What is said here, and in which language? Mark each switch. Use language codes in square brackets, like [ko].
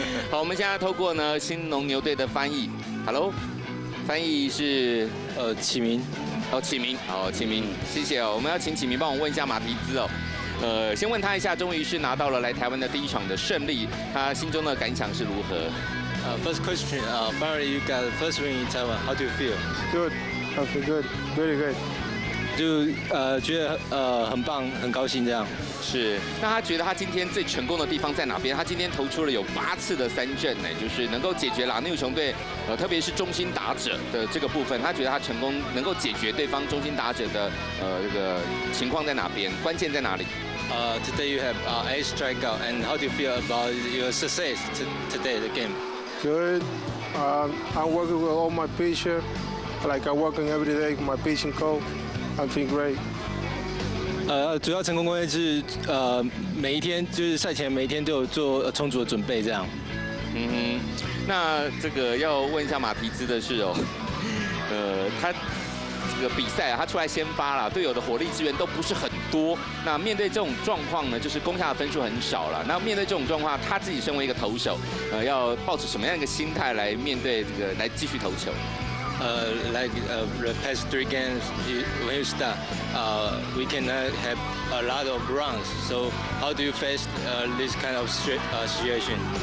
[zh] 好，我们现在透过呢新农牛队的翻译 ，Hello， 翻译是启明。启明，好，启明，谢谢我们要请启明帮我问一下马蹄兹先问他一下，终于是拿到了来台湾的第一场的胜利，他心中的感想是如何？ [en] First question, finally you got first win in Taiwan. How do you feel? Good, I feel good, very good. [zh] 就觉得很棒，很高兴这样。是，那他觉得他今天最成功的地方在哪边？他今天投出了有8次的三振呢，就是能够解决了雄队，特别是中心打者的这个部分，他觉得他成功能够解决对方中心打者的这个情况在哪边？关键在哪里？ [en] Today you have eight strikeout, and how do you feel about your success today the game? Good. I'm working with all my pitching, like I'm working every day my pitching coach. I'm feeling great. [zh] 主要成功关键是每一天就是赛前每一天都有做充足的准备这样。嗯哼，那这个要问一下马蹄兹的是他这个比赛他出来先发了，队友的火力支援都不是很多。那面对这种状况呢，就是攻下的分数很少了。那面对这种状况，他自己身为一个投手，要抱持什么样一个心态来面对这个，来继续投球？ [en] The past three games, when you start, we cannot have a lot of runs. So, how do you face this kind of situation?